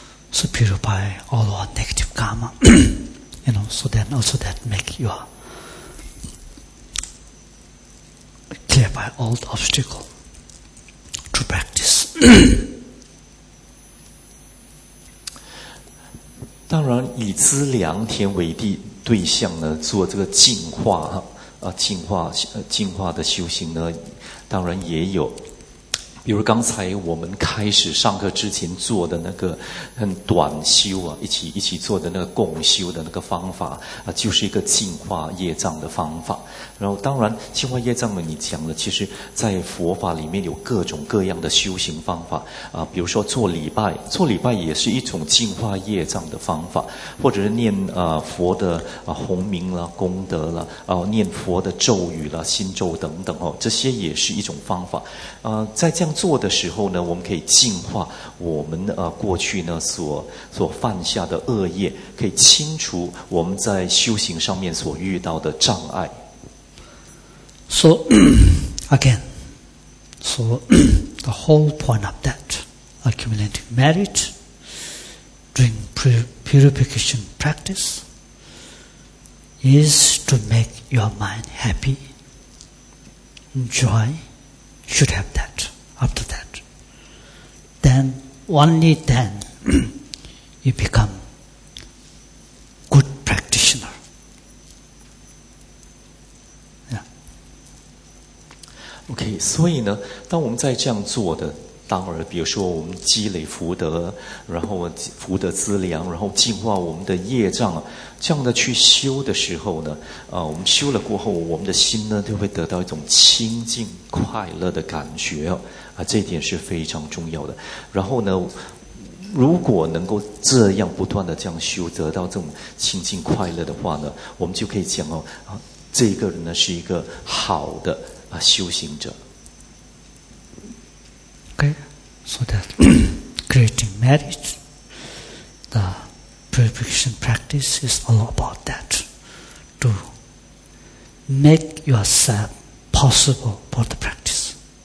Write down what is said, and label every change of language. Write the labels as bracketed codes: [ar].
[en] So purify all our negative karma, you know, so then also that make you clear by all the obstacles to practice. [zh] 当然以资良田为地对象呢，做这个净化啊，净化的修行呢，当然也有。比如刚才我们开始上课之前做的那个很短修啊，一起做的那个共修的那个方法啊，就是一个净化业障的方法。然后当然净化业障呢，你讲了，其实在佛法里面有各种各样的修行方法啊，比如说做礼拜也是一种净化业障的方法，或者是念佛的洪名啦、功德啦，念佛的咒语啦、心咒等等哦，这些也是一种方法。在这样做的时候呢，我们可以净化我们过去呢所犯下的恶业，可以清除我们在修行上面所遇到的障碍。 [en] So again, so the whole point of that accumulating merit during purification practice is to make your mind happy. Joy should have that. After that, then only then you become good practitioner. Yeah. [zh] Okay, 所以呢，当我们在这样做的，当然，比如说我们积累福德，然后福德资粮，然后净化我们的业障，这样的去修的时候呢，我们修了过后，我们的心呢就会得到一种清净快乐的感觉。啊，这一点是非常重要的。然后呢，如果能够这样不断的这样修，得到这种清净快乐的话呢，我们就可以讲哦，啊，这一个人呢是一个好的啊修行者。 [en] Okay, so that creating merit, the purification practice is all about that, to make yourself possible for the practice.